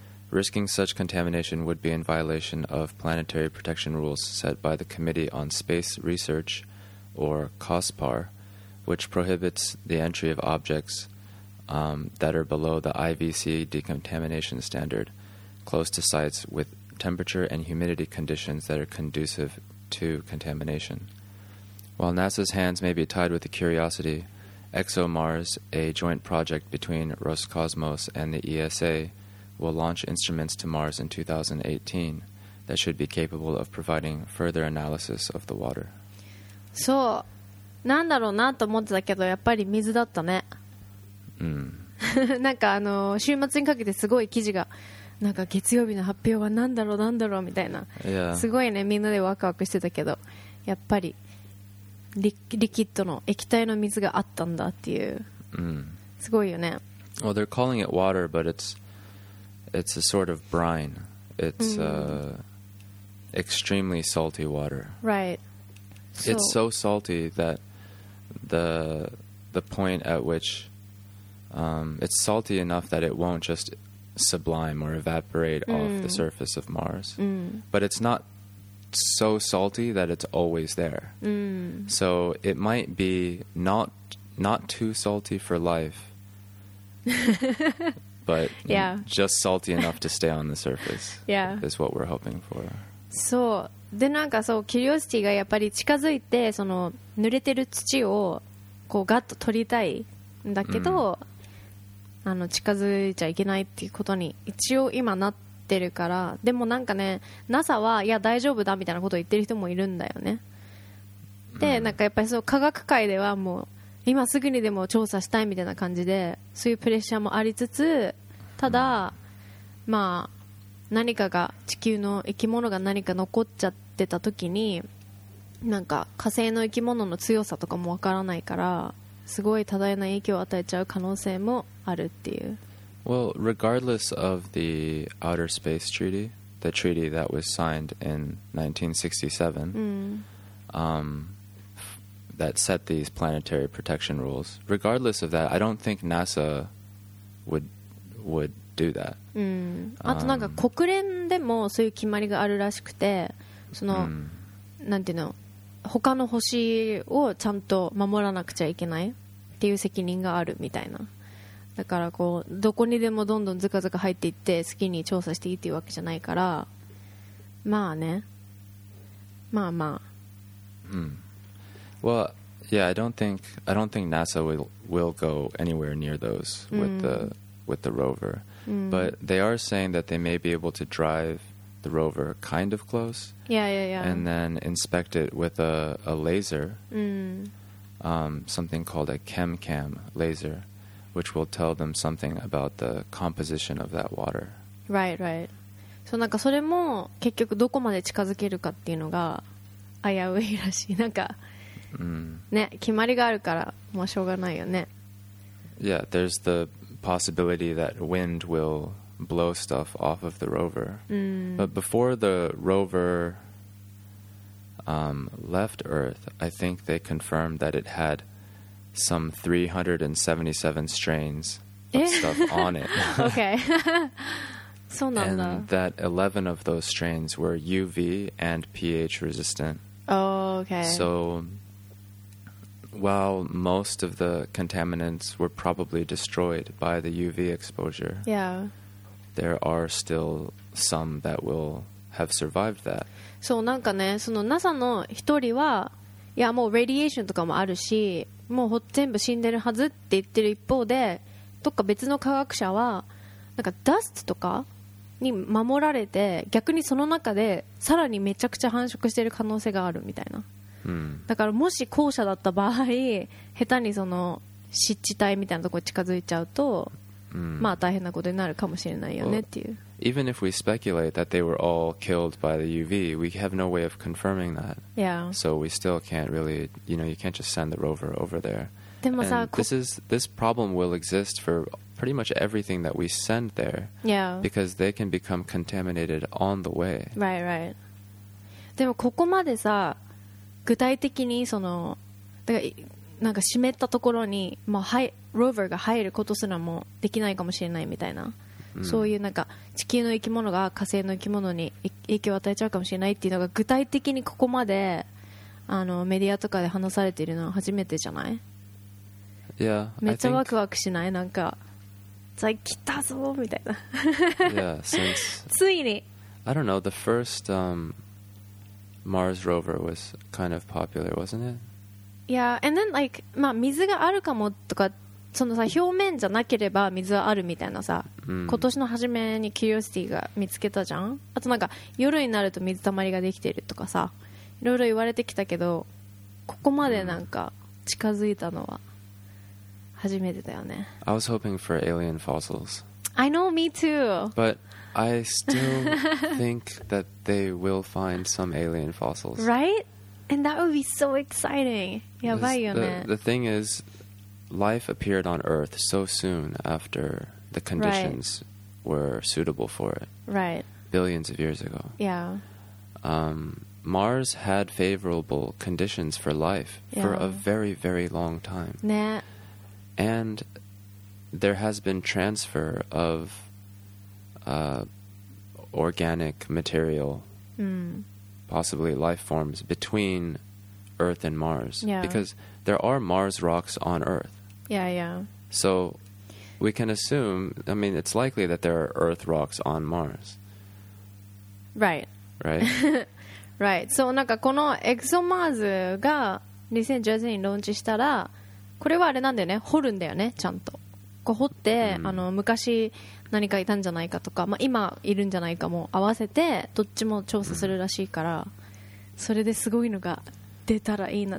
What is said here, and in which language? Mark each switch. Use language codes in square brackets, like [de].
[en] Risking such contamination would be in violation of planetary protection rules set by the Committee on Space Research,or COSPAR, which prohibits the entry of objects that are below the IVC decontamination standard close to sites with temperature and humidity conditions that are conducive to contamination. While NASA's hands may be tied with the Curiosity, ExoMars, a joint project between Roscosmos and the ESA, will launch instruments to Mars in 2018 that should be capable of providing further analysis of the water. [ja] そう、なんだろうなと思ってたけど、やっぱり水だったね。うん。なんか週末にかけてすごい記事が、なんか月曜日の発表はなんだろうなんだろうみたいな。 [en] Yeah. [ja] すごいね、みんなでワクワクしてたけど、やっぱり リキッドの液体の水があったんだっていう。うん。すごいよね。 [en] Well, they're calling it water, but it's a sort of brine. It's、うん、extremely salty water. Right. It's so salty that the point at which it's salty enough that it won't just sublime or evaporate、mm. off the surface of Mars.、 Mm. But it's not so salty that it's always there.、 Mm. So it might be not too salty for life, but、 yeah. just salty enough to stay on the surface、 yeah. is what we're hoping for. So... [ja] でなんかそうキュリオシティがやっぱり近づいてその濡れてる土をこうガッと取りたいんだけど、うん、近づいちゃいけないっていうことに一応今なってるから、でもなんかね NASA はいや大丈夫だみたいなことを言ってる人もいるんだよね、うん、でなんかやっぱりそう科学界ではもう今すぐにでも調査したいみたいな感じでそういうプレッシャーもありつつ、ただ、うん、まあ何かが地球の生き物が何か残っちゃってた時になんか火星の生き物の強さとかもわからないからすごい多大な影響を与えちゃう可能性もあるっていう。 [en] Well, regardless of the Outer Space Treaty, the treaty that was signed in 1967、 mm. That set these planetary protection rules, regardless of that, I don't think NASA would do that. [ja] うん。あとなんか国連でもそういう決まりがあるらしくて、その、うん、なんていうの、他の星をちゃんと守らなくちゃいけないっていう責任があるみたいな。だからこうどこにでもどんどんずかずか入っていって好きに調査していいっていうわけじゃないから、まあね、まあまあ。うん。 [en] Well, yeah, I don't think NASA will go anywhere near those with the rover. But they are saying that they may be able to drive the rover kind of close. Yeah, yeah, yeah. And then inspect it with a laser,、 mm. Something called a ChemCam laser, which will tell them something about the composition of that water. Right, right. [ja] そう、なんかそれも結局どこまで近づけるかっていうのが危ういらしい。なんか、ね、決まりがあるから、もうしょうがないよね。 [en] Yeah, there's the possibility that wind will blow stuff off of the rover. But before the rover left Earth, I think they confirmed that it had some 377 strains of stuff on it. [ja] Okay. そうなんだ。 [en] And that 11 of those strains were UV and pH resistant. Oh, okay. So while most of the contaminants were probably destroyed by the UV exposure, yeah, there are still some that will have survived that. [ja] そう、なんかね、その NASA の一人は、いやもうレディエーションとかもあるし、もう全部死んでるはずって言ってる一方で、どっか別の科学者はなんかダストとかに守られて、逆にその中でさらにめちゃくちゃ繁殖してる可能性があるみたいな。だからもし後者だった場合、下手にその湿地帯みたいなとこ近づいちゃうと、まあ大変なことになるかもしれないよねっていう。 [en] Even if we speculate that they were all killed by the UV, we have no way of confirming that. Yeah. So we still can't really, you know, you can't just send the rover over there. [ja] でもさ、 [en] this problem will exist for pretty much everything that we send there. Yeah. Because they can become contaminated on the way. Right, right. [ja] でもここまでさ、具体的にそのだからなんか湿ったところにもうローバーが入ることすらもできないかもしれないみたいな、そういうなんか地球の生き物が火星の生き物に影響を与えちゃうかもしれないっていうのが具体的にここまでメディアとかで話されているのは初めてじゃない？ [en] Yeah, [ja] めっちゃワクワクしない？なんか来たぞみたいな。ついに。 [en] I don't know, the first Mars rover was kind of popular, wasn't it? Yeah, and then like, [ja] まあ水があるかもとか、そのさ表面じゃなければ水はあるみたいなさ、今年の初めに Curiosity が見つけたじゃん。あとなんか夜になると水たまりができているとかさ、いろいろ言われてきたけど、ここまでなんか近づいたのは初めてだよね。 [en] I was hoping for alien fossils. I know, me too. But I still think that they will find some alien fossils. Right? And that would be so exciting. [ja] やばいよね。 [en] The thing is, life appeared on Earth so soon after the conditions were suitable for it. Right. Billions of years ago. Yeah. Mars had favorable conditions for life for a very, very long time. [ja] ね。 [en] And there has been transfer of organic material, possibly life forms, between Earth and Mars. Yeah. Because there are Mars rocks on Earth. Yeah, yeah. So we can assume, I mean, it's likely that there are Earth rocks on Mars. Right. Right? Right. [ja] So, なんかこのエクソマーズが2010年にローンチしたら、これはあれなんだよね、掘るんだよね、ちゃんと。こう掘って、昔何かいたんじゃないかとか、まあ、今いるんじゃないかも合わせてどっちも調査するらしいから、それですごいのが出たらいいな。